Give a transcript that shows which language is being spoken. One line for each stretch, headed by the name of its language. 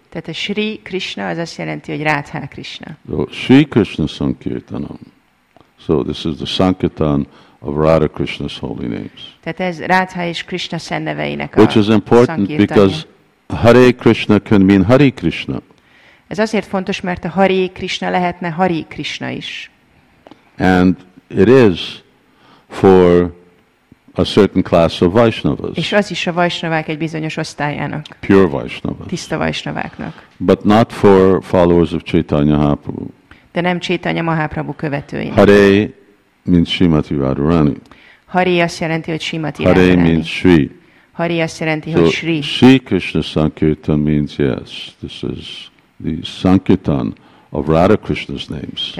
Hungarian: Tehát a Sri Krishna az azt jelenti, hogy Radha Krishna.
English: So, Sri Krishna Sankirtanam. So, this is the Sankirtan of Radha Krishna's holy names.
Hungarian: Tehát ez Radha és Krishna szent neveinek
English: a. Which is important because Hare Krishna can mean Hare Krishna.
Hungarian: Ez azért fontos, mert a Hare Krishna lehetne Hare Krishna is.
English: And it is for a certain class of Vaishnavas.
Hungarian: És az is a Vaishnavák egy bizonyos osztályának.
English: Pure Vaishnavas.
Hungarian: Tiszta Vaishnaváknak.
English: But not for followers of Chaitanya Mahaprabhu.
Hungarian: De nem Chaitanya Mahaprabhu követőinek.
English: Hare means Srimati Radharani.
Hungarian: Hare azt jelenti, hogy Srimati
English: Radharani. Hare means Sri.
Hungarian: Hare azt jelenti, so, hogy Sri.
English: Sri Krishna Sankirtan means, yes, this is the Sankirtan of Radha Krishna's names.